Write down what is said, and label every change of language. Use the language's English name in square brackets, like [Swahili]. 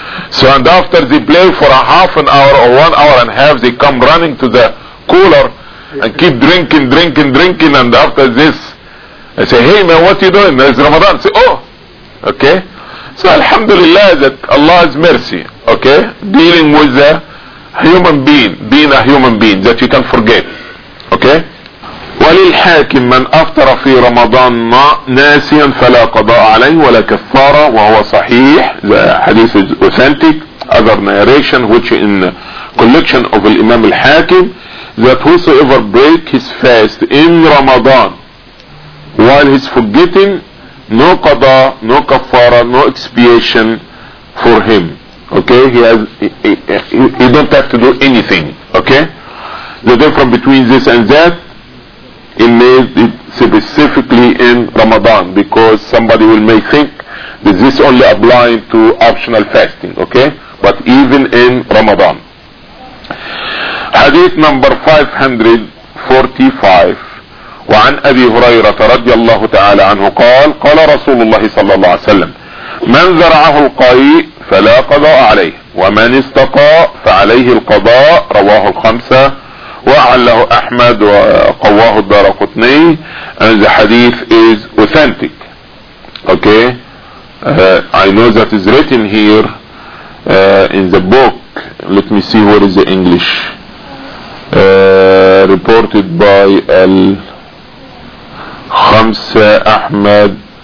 [English] So, and after they play for a half an hour or 1 hour and a half, they come running to the cooler and keep drinking, and after this, I say, hey man, what are you doing? It's Ramadan. I say, oh, okay. So, alhamdulillah, that Allah is mercy, okay, dealing with a human being, being a human being, that you can forget, okay. [Arabic] وللحاكم من أفطر في رمضان ناسيا فلا قضاء عليه ولا كفارة وهو صحيح. [English] The hadith is authentic. Other narration which in collection of Imam al-Hakim, that whosoever break his fast in Ramadan while he's forgetting, no قضاء, no كفارة, no expiation for him. Okay, he don't have to do anything. Okay, the difference between this and that, it made it specifically in Ramadan, because somebody will may think that this only apply to optional fasting, okay? But even in Ramadan. Hadith number 545. [Arabic] وعن أبي هريرة رضي الله تعالى عنه قال قال رسول الله صلى الله عليه وسلم من زرعه القيء فلا قضاء عليه ومن استقى فعليه القضاء. رواه الخمسة وعله أحمد وقواه الدارقطني. [English] And the hadith is authentic. Okay, I know that is written here in the book. Let me see what is the English. Reported by Al Khamsa Ahmad.